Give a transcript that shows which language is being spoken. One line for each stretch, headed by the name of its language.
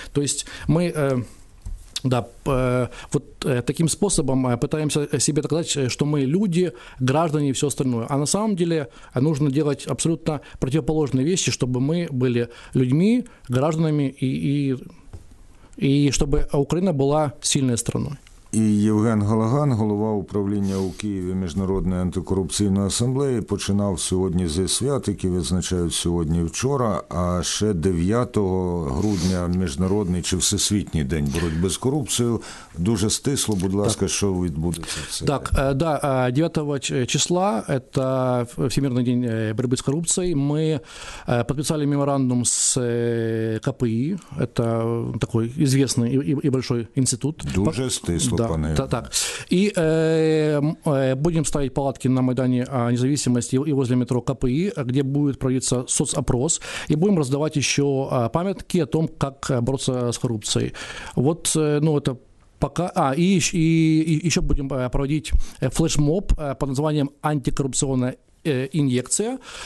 Russian: То есть мы... Да, вот таким способом пытаемся себе доказать, что мы люди, граждане и все остальное. А на самом деле нужно делать абсолютно противоположные вещи, чтобы мы были людьми, гражданами и чтобы Украина была сильной страной.
Ukrainian: І Євген Галаган, голова управління у Києві Міжнародної антикорупційної асамблеї, починав сьогодні зі свят, які відзначають сьогодні і вчора, а ще 9 грудня Міжнародний чи Всесвітній день боротьби з корупцією. Дуже стисло, будь ласка, що відбудеться? Так, 9 числа, це Всемирний день боротьби з корупцією, ми підписали меморандум з КПІ, це такий відомий і великий інститут. Дуже стисло.
Russian: Да, так. И будем ставить палатки на Майдане Независимости и возле метро КПИ, где будет проводиться соцопрос, и будем раздавать еще памятки о том, как бороться с коррупцией. Вот, это пока... еще будем проводить флешмоб под названием «Антикоррупционная инъекция».